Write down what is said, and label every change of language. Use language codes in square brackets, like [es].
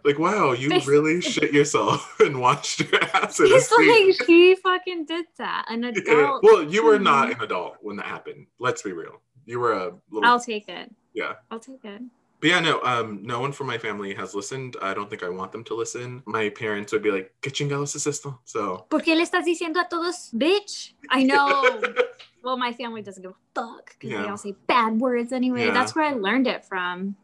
[en] Like, wow, you really shit yourself and watched your ass. He's like, she fucking did that. An adult. Yeah. Well, you were not an adult when that happened. Let's be real. You were a little. I'll take it. Yeah. I'll take it. But yeah, no, no one from my family has listened. I don't think I want them to listen. My parents would be like, [es] ¿Qué chingados es esto? [en] So. [es] ¿Por qué le estás diciendo a todos, bitch? [en] I know. Well, my family doesn't give a fuck because they all say bad words anyway. Yeah. That's where I learned it from.